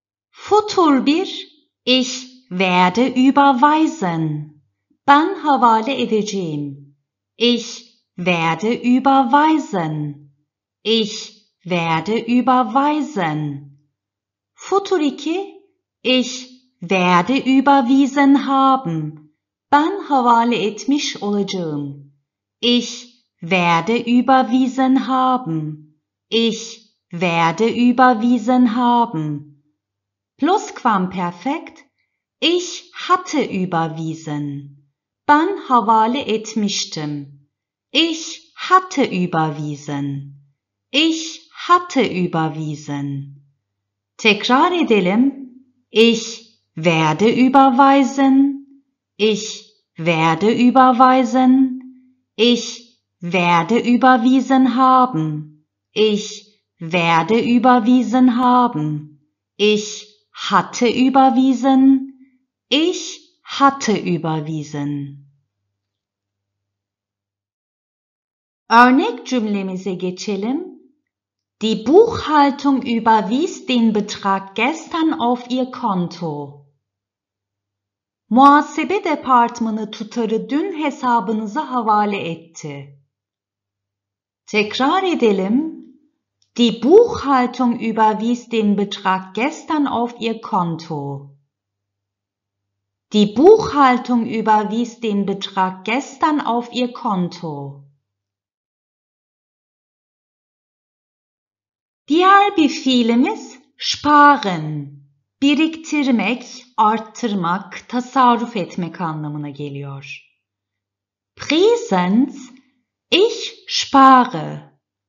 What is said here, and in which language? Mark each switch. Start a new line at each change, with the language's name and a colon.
German: Futur bir, ich werde überweisen.
Turkish: Ben havale edeceğim.
German: Ich werde überweisen. Ich werde überweisen. Futur 2. Ich werde überwiesen haben.
Turkish: Ben havale etmiş olacağım.
German: Ich werde überwiesen haben. Ich werde überwiesen haben. Plusquamperfekt. Ich hatte überwiesen.
Turkish: Ben havale etmiştim.
German: Ich hatte überwiesen. Ich hatte überwiesen.
Turkish: Tekrar edelim.
German: Ich werde überweisen. Ich werde überweisen. Ich werde überwiesen haben. Ich werde überwiesen haben. Ich hatte überwiesen. Ich hatte überwiesen.
Turkish: Örnek cümlemize geçelim.
German: Die Buchhaltung überwies den Betrag gestern auf ihr Konto.
Turkish: Muhasebe departmanı tutarı dün hesabınıza havale etti. Tekrar edelim.
German: Die Buchhaltung überwies den Betrag gestern auf ihr Konto. Die Buchhaltung überwies den Betrag gestern auf ihr Konto.
Turkish: Diğer bir fiilimiz sparen, biriktirmek, arttırmak, tasarruf etmek anlamına geliyor.
German: Präsens, ich spare.